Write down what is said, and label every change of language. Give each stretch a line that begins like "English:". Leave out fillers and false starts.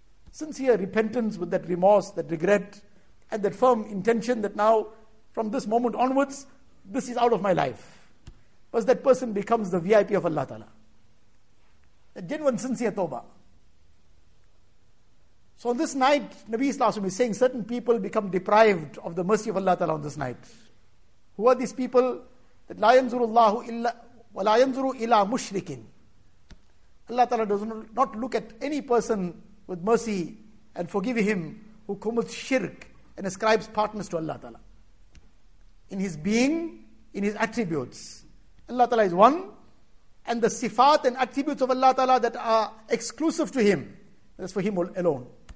English: Sincere repentance with that remorse, that regret, and that firm intention that now, from this moment onwards, this is out of my life. Bas, that person becomes the VIP of Allah Ta'ala. A genuine sincere tawbah. So on this night, Nabi Sallallahu Alaihi Wasallam is saying certain people become deprived of the mercy of Allah Ta'ala on this night. Who are these people? That
Arabic: لا ينظر الله إلا ولا ينظر إلى مشرك.
English: Allah Ta'ala does not look at any person with mercy and forgive him who commits shirk and ascribes partners to Allah Ta'ala. In his being, in his attributes. Allah Ta'ala is one, and the sifat and attributes of Allah Ta'ala that are exclusive to him, that's for him alone.